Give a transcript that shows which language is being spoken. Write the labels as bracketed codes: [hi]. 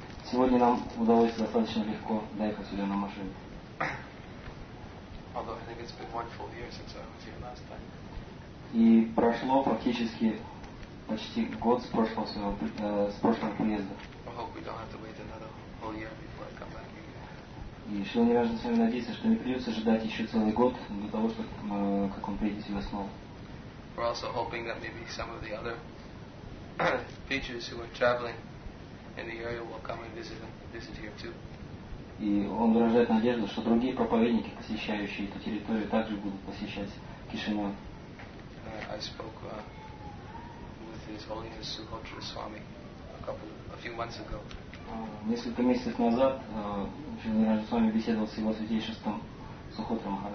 [ru] Сегодня нам удалось достаточно легко доехать сюда на машине. [en] Although I think it's been one full year since I was here last time. [ru] И прошло практически почти год с прошлого приезда. [en] I hope we don't have to wait another whole year before I come back here. [ru] И Шрила Ниранджана с вами надеется, что не придется ждать еще целый год для того, чтобы как он приедет сюда снова. [en] We're also hoping that maybe some of the other teachers who are traveling in the area will come and visit here too. [ru] И он выражает надежду, что другие проповедники, посещающие эту территорию, также будут посещать Кишинев. [en] I spoke with His Holiness Sukhotra Swami a few months ago. [ru] Несколько месяцев назад Шрила Ниранджана с вами беседовал с его святейшеством Сухотра